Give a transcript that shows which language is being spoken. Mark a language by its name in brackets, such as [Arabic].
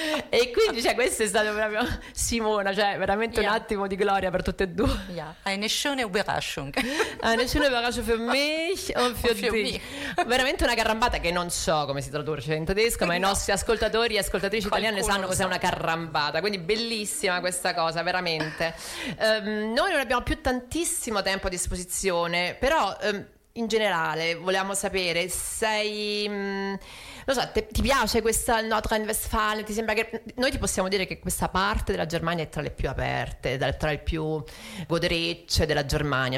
[Italian] E quindi, cioè, questo è stato proprio Simona, cioè veramente un attimo di gloria per tutte e due. [German] Ja, eine schöne Überraschung. Eine schöne Überraschung für mich und für dich. Mich. [Italian] Veramente una carambata, che non so come si traduce in tedesco, ma no, i nostri ascoltatori e ascoltatrici italiane sanno cos'è una carambata, quindi bellissima questa cosa, veramente. Noi non abbiamo più tantissimo tempo a disposizione, però in generale volevamo sapere, sei non so, ti piace questa Nordrhein-Westfalen? Ti sembra che noi ti possiamo dire che questa parte della Germania è tra le più aperte, tra le più goderecce della Germania?